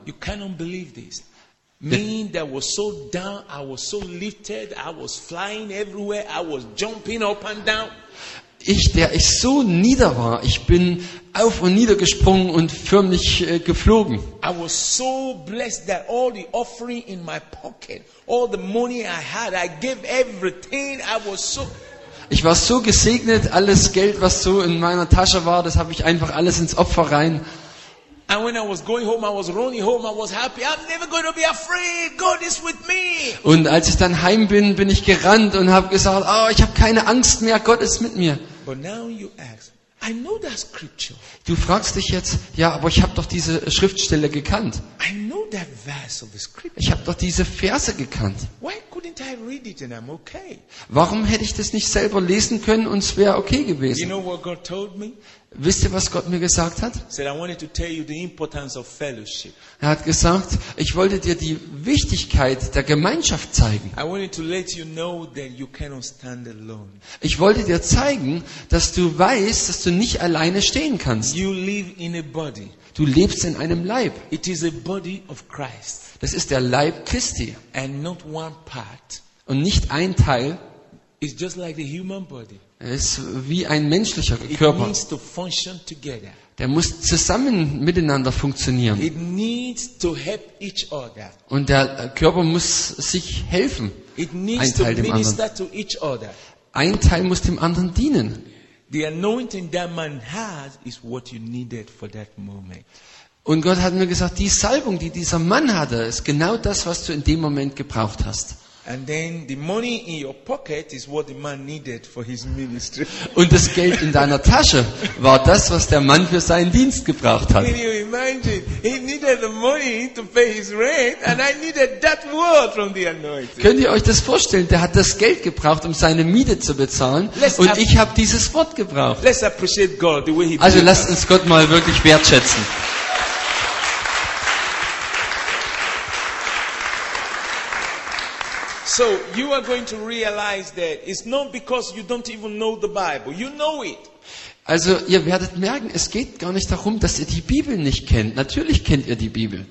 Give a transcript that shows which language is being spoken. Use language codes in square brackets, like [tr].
[en] You cannot believe this. Mean that was so down, I was so lifted, I was flying everywhere, I was jumping up and down. [de] Der ich so nieder war, ich bin auf und nieder gesprungen und förmlich geflogen. [en] I was so blessed that all the offering in my pocket, all the money I had, I gave everything. I was so. [de] Ich war so gesegnet, alles Geld, was so in meiner Tasche war, das habe ich einfach alles ins Opfer rein. [en] And when I was going home, I was running home, I was happy. I'm never going to be afraid. God is with me. [de] Und als ich dann heim bin, bin ich gerannt und habe gesagt, oh, ich habe keine Angst mehr, Gott ist mit mir. [en] But now you ask, I know that scripture. [de] Du fragst dich jetzt, ja, aber ich habe doch diese Schriftstelle gekannt. [en] I know that verse of the scripture. [de] Ich habe doch diese Verse gekannt. [en] Why couldn't I read it and I'm okay? [de] Warum hätte ich das nicht selber lesen können und es wäre okay gewesen? [en] You know what God told me? [de] Wisst ihr, was Gott mir gesagt hat? [en] Said, I wanted to tell you the importance of fellowship. [de] Er hat gesagt, ich wollte dir die Wichtigkeit der Gemeinschaft zeigen. [en] I wanted to let you know that you cannot stand alone. [de] Ich wollte dir zeigen, dass du weißt, dass du nicht alleine stehen kannst. [en] You live in a body. [de] Du lebst in einem Leib. [en] It is a body of Christ. [de] Das ist der Leib Christi. [en] And not one part. [de] Und nicht ein Teil. [en] It's just like the human body. [de] Es ist wie ein menschlicher Körper. [en] It needs to function together. [de] Der muss zusammen miteinander funktionieren. [en] It needs to help each other. [de] Und der Körper muss sich helfen. [en] It needs [de] ein Teil [en] to [de] dem [en] minister [de] anderen. [en] To each other. [de] Ein Teil muss dem anderen dienen. [en] The anointing that man has is what you needed for that moment. [de] Und Gott hat mir gesagt, die Salbung, die dieser Mann hatte, ist genau das, was du in dem Moment gebraucht hast. [en] And then the money in your pocket is what the man needed for his ministry. [de] Und das Geld in deiner Tasche war das, was der Mann für seinen Dienst gebraucht hat. [en] Can you imagine? He needed the money to pay his rent, and I needed that word from the anointing. [de] Könnt ihr euch das vorstellen? Der hat das Geld gebraucht, um seine Miete zu bezahlen, und ich habe dieses Wort gebraucht. [en] Let's appreciate God the way he. [de] Also lasst uns Gott mal wirklich wertschätzen. [en] So you are going to realize that it's not because you don't even know the Bible. You know it. [de] Also ihr werdet merken, es geht gar nicht darum, dass ihr die Bibel nicht kennt. Natürlich kennt ihr die Bibel.